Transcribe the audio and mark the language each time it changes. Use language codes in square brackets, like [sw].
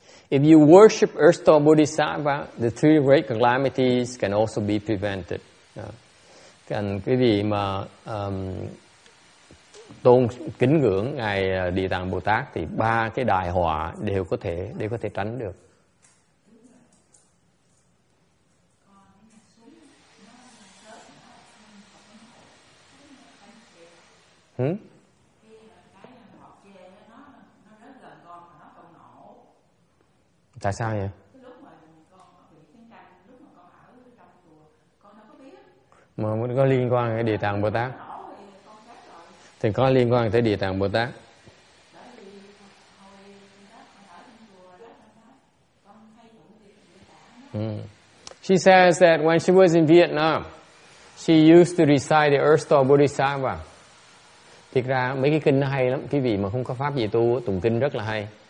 [en] If you worship Earth Store Bodhisattva, the three great calamities can also be prevented. [vi] Còn quý vị mà tôn kính ngưỡng ngài Địa Tạng Bồ Tát thì ba cái đại họa đều có thể tránh được. Tại sao vậy? Mà có liên quan cái Địa Tạng Bồ Tát thì có liên quan tới Địa Tạng Bồ Tát. [en] She says that when she was in Vietnam, she used to recite the Earth Store Bodhisattva. [vi] Thiệt ra mấy cái kinh nó hay lắm, quý vị mà không có pháp gì tu tụng kinh rất là hay.